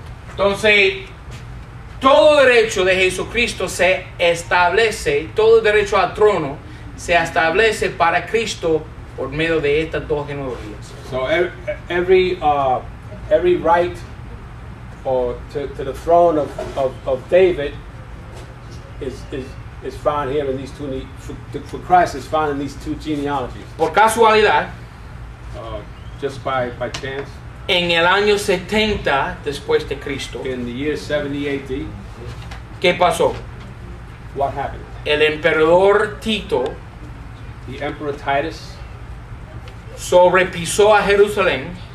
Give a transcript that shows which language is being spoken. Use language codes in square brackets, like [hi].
[es] Entonces, todo derecho de Jesucristo se establece, todo derecho al trono se establece para Cristo por medio de estas dos genealogías. [en] So every right to the throne of David is found here in these two, for Christ is found in these two genealogies. [es] Por casualidad, [en] just by chance. [es] En el año 70 después de Cristo. [en] In the year 70 AD. [es] ¿Qué pasó? [en] What happened? [es] El emperador Tito. [en] The emperor Titus. [es] Sobrepisó a Jerusalén.